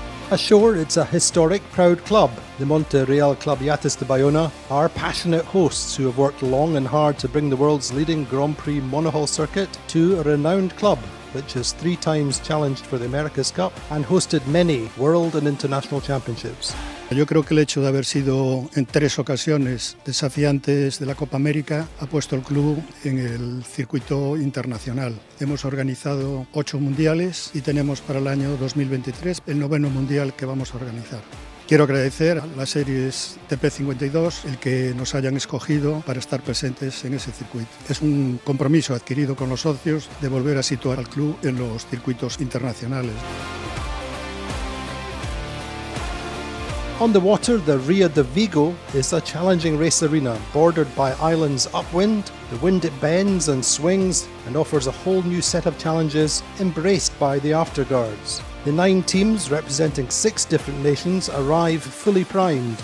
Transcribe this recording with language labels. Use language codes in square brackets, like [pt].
[en] Ashore, it's a historic, proud club. The Monte Real Club Yachts de Bayona are passionate hosts who have worked long and hard to bring the world's leading Grand Prix monohull circuit to a renowned club, which has three times challenged for the America's Cup and hosted many world and international championships. [es] Yo creo que el hecho de haber sido en tres ocasiones desafiantes de la Copa América ha puesto al club en el circuito internacional. Hemos organizado ocho mundiales y tenemos para el año 2023 el noveno mundial que vamos a organizar. Quiero agradecer a las series TP52 el que nos hayan escogido para estar presentes en ese circuito. Es un compromiso adquirido con los socios de volver a situar al club en los circuitos internacionales. [en] On the water, the Ria de Vigo is a challenging race arena bordered by islands upwind. The wind, it bends and swings and offers a whole new set of challenges embraced by the afterguards. The nine teams representing six different nations arrive fully primed.